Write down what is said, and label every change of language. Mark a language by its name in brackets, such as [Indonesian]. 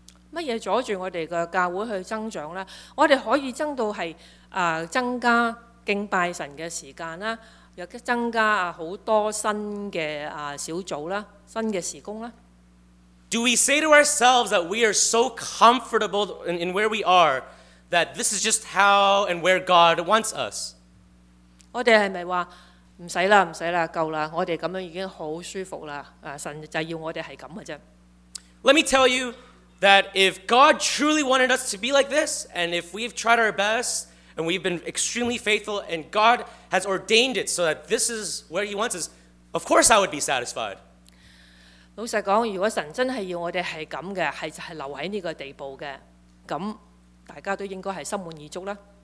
[Cantonese] 乜嘢阻住我哋嘅教会去增长咧？我哋可以增到系啊、增加敬拜神嘅时间啦，又增加啊好多新嘅啊、小组啦，新嘅事工啦。 [English] Do we say to ourselves that we are so comfortable in where we are that this is just how and where God wants us？ [Cantonese] 我哋系咪话唔使啦，唔使啦，够啦，我哋咁样已经好舒服啦？啊，神就要我哋系咁嘅啫。 [English] Let me tell you. That if God truly wanted us to be like this, and if we've tried our best, and we've been extremely faithful, and God has ordained it so that this is where He wants us, of course I would be satisfied. [Cantonese] 老實講，如果神真係要我哋係咁嘅，係就係留喺呢個地步嘅，咁大家都應該係心滿意足啦。